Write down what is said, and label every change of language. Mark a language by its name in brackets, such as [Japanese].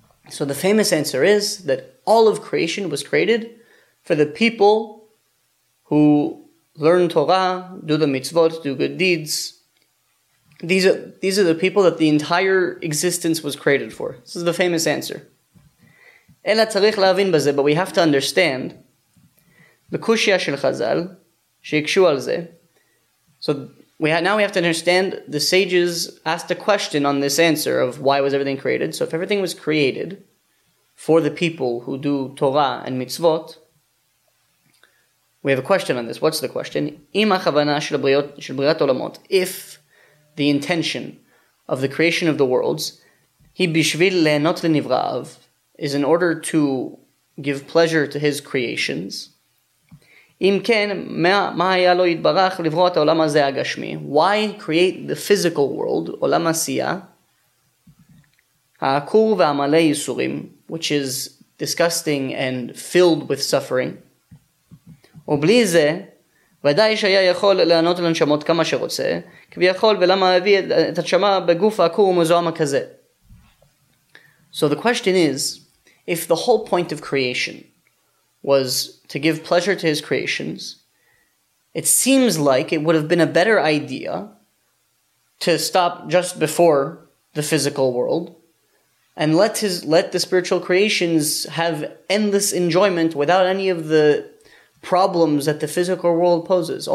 [English] So the famous answer is that all of creation was created for the people who learn Torah, do the mitzvot, do good deeds. These are the people that the entire existence was created for. This is the famous answer. [Hebrew] אלא צריך להבין בזה, [English] but we have to understand, [Hebrew] בקושיה של חז"ל, שיקשו על זה. [English] So now we have to understand, the sages asked a question on this answer of why was everything created. So if everything was created for the people who do Torah and mitzvot, we have a question on this. What's the question? [Hebrew] אם הכוונה של בריאת עולמות, [English] if the intention of the creation of the worlds, [Hebrew] היא בשביל ליהנות לנבראיו, [English] is in order to give pleasure to his creations. [Hebrew] אם כן, מה היה לו יתברך לברוא את העולם הזה הגשמי? [English] Why create the physical world, [Hebrew] עולם עשייה, העקור והמלא ייסורים, [English] which is disgusting and filled with suffering? [Hebrew] ובלי זה, ודאי שהיה יכול לענות לנשמות כמה שרוצה, כביכול ולמה הביא את הנשמה בגוף העקור ומזוהם כזה? [English] So the question is, if the whole point of creation was to give pleasure to his creations, it seems like it would have been a better idea to stop just before the physical world and let the spiritual creations have endless enjoyment without any of the problems that the physical world poses.